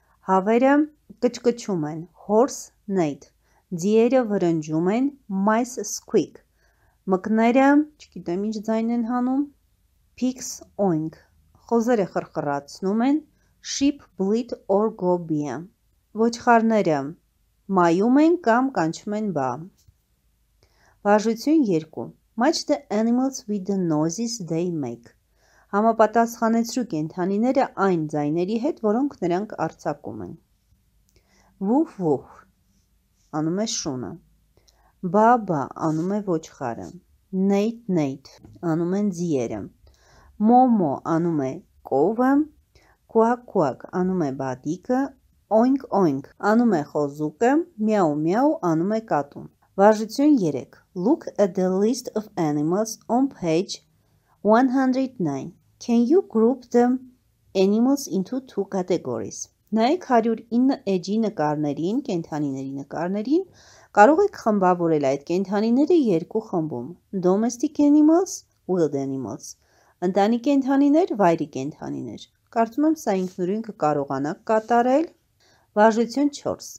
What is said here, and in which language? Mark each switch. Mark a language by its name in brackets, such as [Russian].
[Armenian] Հավերը կչկչում են։ [English] Horse neigh. [Armenian] Ձիերը վրնջում են։ [English] Mice squeak. [Armenian] Մկները, չգիտեմ ինչ ձայն են հանում, [English] pigs oink, [Armenian] խոզերը խրխրացնում են, [English] sheep bleat or go bee. [Armenian] Ոչխարները, մայում են կամ կանչում են բա. Վարժություն 2. [English] Match the animals with the noises they make. [Armenian] Համապատասխանեցրու կենդանիները այն ձայների հետ, որոնք նրանք արձակում են. Woof woof, անում է շունը. Baba անում է ոչխարը. Nate Nate անում են ձիերը. Momo անում է կովը. Quack quack անում է բադիկը. Oink oink անում է խոզուկը. Meow meow անում է կատուն. Վարժություն 3. [English] Look at the list of animals on page 109. Can you group the animals into two categories? [Armenian] Նայեք 109 էջի նկարներին, կենդանիների նկարներին. Կարող եք խմբավորել այդ կենդանիները երկու խմբում. [English] Domestic animals, wild animals. [Armenian] Ընտանի կենդանիներ, վայրի կենդանիներ. Կարծում եմ, սա ինքնուրույն կկարողանաք կատարել. Վարժություն 4.